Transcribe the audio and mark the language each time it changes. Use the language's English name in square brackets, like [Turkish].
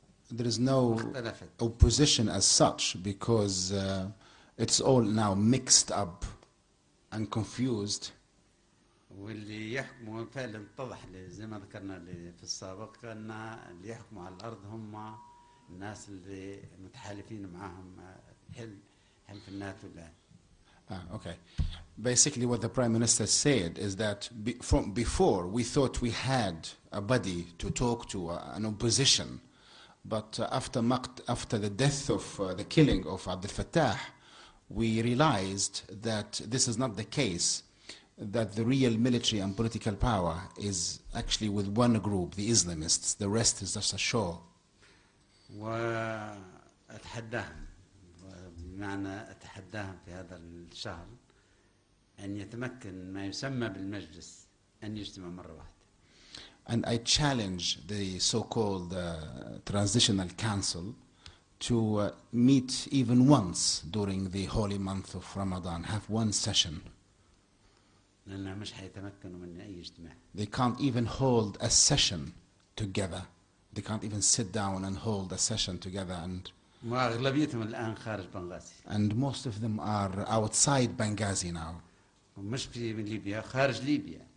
[English] There is no opposition as such because it's all now mixed up and confused. [Arabic] واللي يحكموا فعلا اتضح زي ما ذكرنا في السابق أن اللي يحكموا على الأرض هم الناس اللي متحالفين معهم حلف الناتو الآن. [English] Okay. Basically what the Prime Minister said is that from before we thought we had a buddy to talk to, an opposition, but after the death of the killing of Abd al-Fattah, we realized that this is not the case, that the real military and political power is actually with one group, the Islamists. The rest is just a show. [Arabic] وأتحداهم بمعنى أتحداهم في هذا الشهر أن يتمكن ما يسمى بالمجلس أن يجتمع مرة واحدة. [English] And I challenge the so-called transitional council to meet even once during the holy month of Ramadan, have one session. [Arabic] لأنه مش هيتمكنوا من أي اجتماع. [English] They can't even hold a session together. They can't even sit down and hold a session together. And [Arabic] أغلبيتهم الآن خارج بنغازي. [English] And most of them are outside Benghazi now. [Arabic] مش في من ليبيا خارج ليبيا.